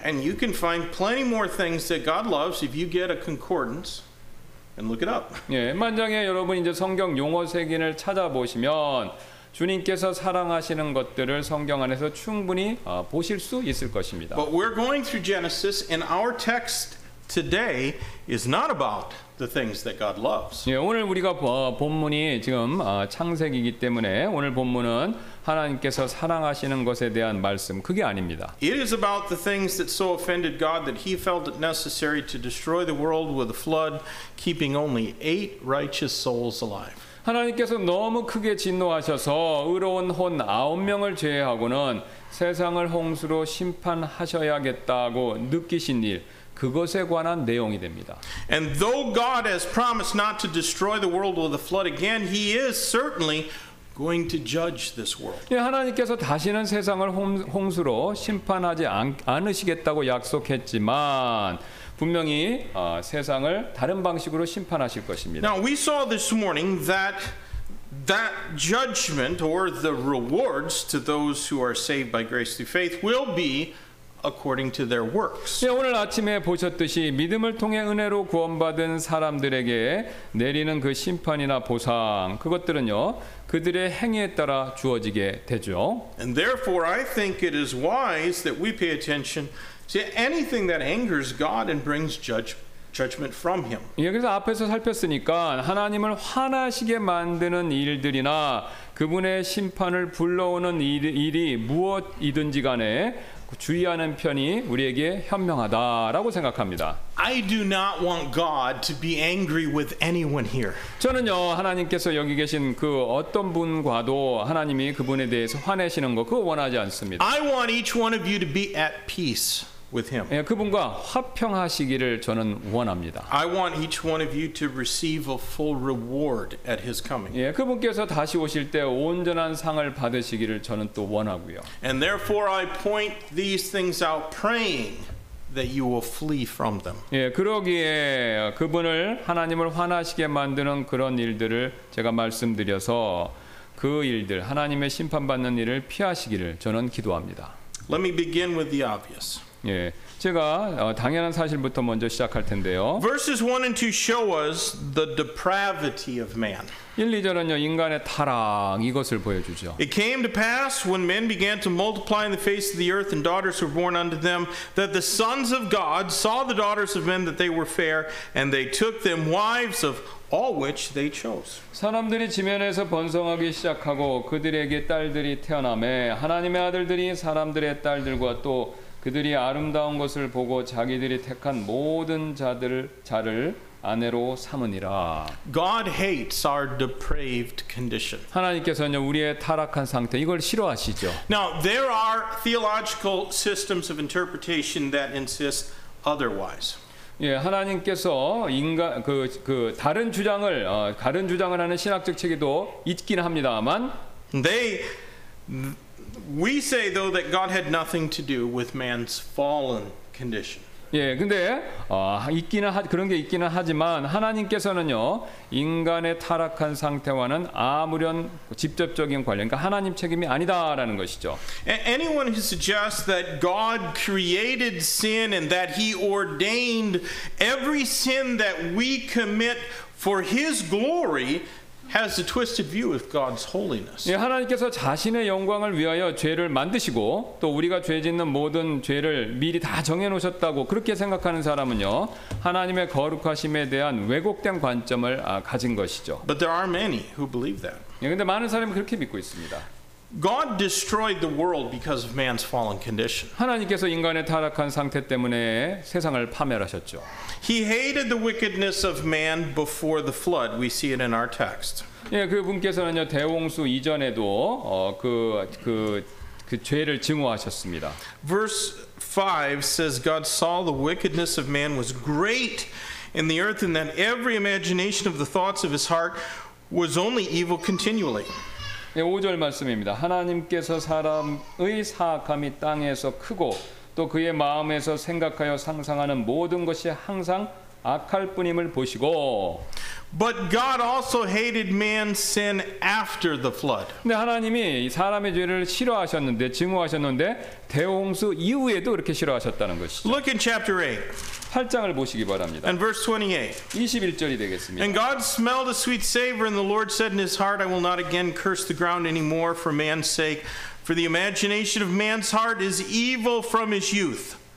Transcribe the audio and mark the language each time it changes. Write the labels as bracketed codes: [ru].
[en] And you can find plenty more things that God loves if you get a concordance. And look it up. [ko] 예, 만장에 여러분 이제 성경 용어 세계를 찾아보시면 주님께서 사랑하시는 것들을 성경 안에서 충분히 보실 수 있을 것입니다. [en] But we're going through Genesis, and our text today is not about the things that God loves. [ko] 예, 오늘 우리가 본문이 지금 창세기이기 때문에 오늘 본문은 하나님께서 사랑하시는 것에 대한 말씀 그게 아닙니다. [en] It is about the things that so offended God that he felt it necessary to destroy the world with a flood, keeping only eight righteous souls alive. [ko] 하나님께서 너무 크게 진노하셔서 의로운 혼 아홉 명을 제외하고는 세상을 홍수로 심판하셔야겠다고 느끼신 일 그것에 관한 내용이 됩니다. [en] And though God has promised not to destroy the world with a flood again, he is certainly going to judge this world. [ko] 예, 하나님께서 다시는 세상을 홍수로 심판하지 않으시겠다고 약속했지만 분명히 세상을 다른 방식으로 심판하실 것입니다. [en] Now we saw this morning that judgment or the rewards to those who are saved by grace through faith will be according to their works. [ko] 예, 오늘 아침에 보셨듯이 믿음을 통해 은혜로 구원받은 사람들에게 내리는 그 심판이나 보상 그것들은요 그들의 행위에 따라 주어지게 되죠. [en] And therefore I think it is wise that we pay attention to anything that angers God and brings judgment from him. [ko] 예, 그래서 앞에서 살폈으니까 하나님을 화나시게 만드는 일들이나 그분의 심판을 불러오는 일이 무엇이든지 간에 주의하는 편이 우리에게 현명하다라고 생각합니다. [en] I do not want God to be angry with anyone here. [ko] 저는요, 하나님께서 여기 계신 그 어떤 분과도 하나님이 그분에 대해서 화내시는 거 그거 원하지 않습니다. [en] I want each one of you to be at peace. with him. [ko] 그분과 화평하시기를 저는 원합니다. [en] I want each one of you to receive a full reward at his coming. [ko] 그분께서 다시 오실 때 온전한 상을 받으시기를 저는 또 원하고요. [en] And therefore I point these things out praying that you will flee from them. [ko] 그러기에 그분을 하나님을 화나시게 만드는 그런 일들을 제가 말씀드려서 그 일들 하나님의 심판받는 일을 피하시기를 저는 기도합니다. [en] Let me begin with the obvious. [ko] 제가 당연한 사실부터 먼저 시작할 텐데요. [en] Verses 1 and 2 show us the depravity of man. [ko] 1, 2절은요, 인간의 타락 이것을 보여주죠. [en] It came to pass when men began to multiply in the face of the earth and daughters were born unto them that the sons of God saw the daughters of men that they were fair and they took them wives of all which they chose. [ko] 사람들이 지면에서 번성하기 시작하고 그들에게 딸들이 태어나매 하나님의 아들들이 사람들의 딸들과 또 그들이 아름다운 것을 보고 자기들이 택한 모든 자를 아내로 삼으니라. [en] God hates our depraved condition. [ko] 하나님께서는 우리의 타락한 상태 이걸 싫어하시죠. [en] Now there are theological systems of interpretation that insist otherwise. [ko] 하나님께서 인간 그 다른 주장을 하는 신학적 체계도 있긴 합니다만 [en] We say though that God had nothing to do with man's fallen condition. [ko] 근데 그런 게 있기는 하지만 하나님께서는요 인간의 타락한 상태와는 아무런 직접적인 관련, 그러니까 하나님 책임이 아니다라는 것이죠. [en] Anyone who suggests that God created sin and that He ordained every sin that we commit for His glory. Has a twisted view of God's holiness. [ko] 하나님께서 자신의 영광을 위하여 죄를 만드시고 또 우리가 죄 짓는 모든 죄를 미리 다 정해 놓으셨다고 그렇게 생각하는 사람은요 하나님의 거룩하심에 대한 왜곡된 관점을 가진 것이죠. [en] But there are many who believe that. [ko] 그런데 많은 사람이 그렇게 믿고 있습니다. [en] God destroyed the world because of man's fallen condition. [ko] 하나님께서 인간의 타락한 상태 때문에 세상을 파멸하셨죠. [en] He hated the wickedness of man before the flood. We see it in our text. [ko] 그분께서는요 대홍수 이전에도 그 죄를 증오하셨습니다. [en] Verse 5 says God saw the wickedness of man was great in the earth, and that every imagination of the thoughts of his heart was only evil continually. [ko] 5절 말씀입니다. 하나님께서 사람의 사악함이 땅에서 크고 또 그의 마음에서 생각하여 상상하는 모든 것이 항상 악할 뿐임을 보시고 [en] But God also hated man's sin after the flood. [ko] 근데 하나님이 사람의 죄를 싫어하셨는데 증오하셨는데 대홍수 이후에도 그렇게 싫어하셨다는 것이죠. [en] Look in chapter 8. [ko] 8장을 보시기 바랍니다. [en] And verse 28. [ko] 21절이 되겠습니다. [en] And God smelled a sweet savor and the Lord said in his heart I will not again curse the ground anymore for man's sake for the imagination of man's heart is evil from his youth.